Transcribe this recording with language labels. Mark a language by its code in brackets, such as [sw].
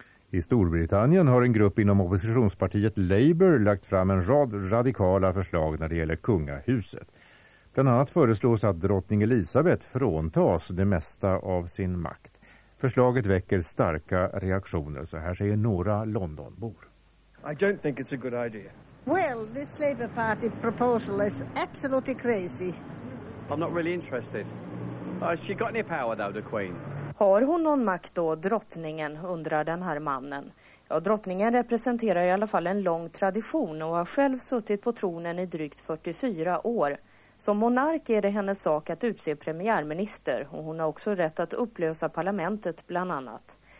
[sv] I Storbritannien har en grupp inom oppositionspartiet Labour lagt fram en rad radikala förslag när det gäller kungahuset. Bland annat föreslås att drottning Elizabeth fråntas det mesta av sin makt. Förslaget väcker starka reaktioner, så här säger några Londonbor. [en] I don't think it's a good idea. Well, this Labour Party proposal is absolutely crazy. I'm not really interested. Has she got any power though, the Queen? [sv] Har hon någon makt då, drottningen, undrar den här mannen. Ja, drottningen representerar i alla fall en lång tradition och har själv suttit på tronen i drygt 44 år. Som monark är det hennes sak att utse premiärminister och hon har också rätt att upplösa parlamentet bland annat.